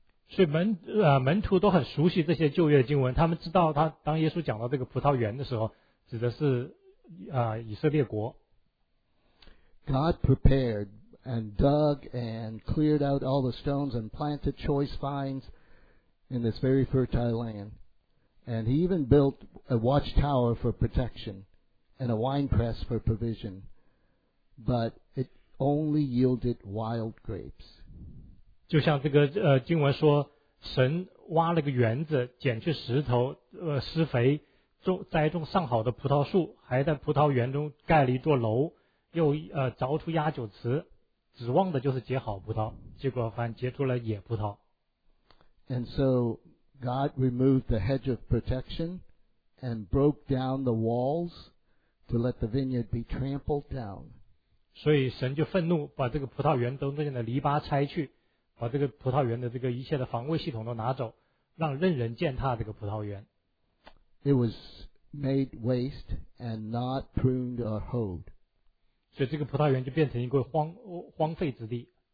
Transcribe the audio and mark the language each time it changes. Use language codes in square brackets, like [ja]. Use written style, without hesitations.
[zh] 所以门徒都很熟悉这些旧约经文，他们知道他当耶稣讲到这个葡萄园的时候，指的是以色列国。 [en] God prepared and dug and cleared out all the stones and planted choice vines in this very fertile land. And he even built a watchtower for protection and a wine press for provision. But it only yielded wild grapes. [zh] 就像这个经文说，神挖了个园子，捡去石头，施肥，栽种上好的葡萄树，还在葡萄园中盖了一座楼，又凿出压酒池，指望的就是结好葡萄，结果反结出了野葡萄。 [en] And so God removed the hedge of protection and broke down the walls to let the vineyard be trampled down. [zh] 所以神就愤怒，把这个葡萄园中间的篱笆拆去，把这个葡萄园的这个一切的防卫系统都拿走，让任人践踏这个葡萄园。 [en] It was made waste and not pruned or hoed. [zh] 所以这个葡萄园就变成一个荒废之地。